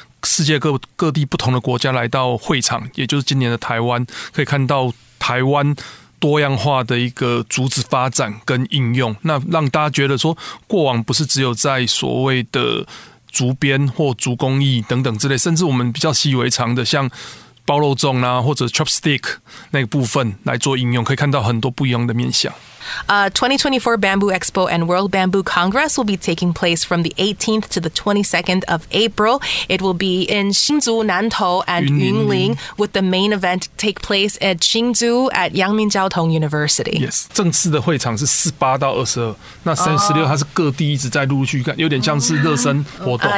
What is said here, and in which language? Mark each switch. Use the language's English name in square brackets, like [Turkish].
[Chinese] 世界各地不同的国家来到会场，也就是今年的台湾，可以看到台湾 多样化的一个竹子发展跟应用，那让大家觉得说，过往不是只有在所谓的竹编或竹工艺等等之类，甚至我们比较习以为常的像包肉粽啊，或者 chopstick 那个部分来做应用，可以看到很多不一样的面向。 [English] 2024 Bamboo Expo and World Bamboo Congress will be taking place from the 18th to the 22nd of April. It will be in Hsinchu, Nantou, and Yunling, with the main event take place at Hsinchu at Yangmin Jiao Tong University. [Chinese] Yes, 正式的会场是 18到 22, 那 36 它是各地一直在陆续，有点像是热身活动。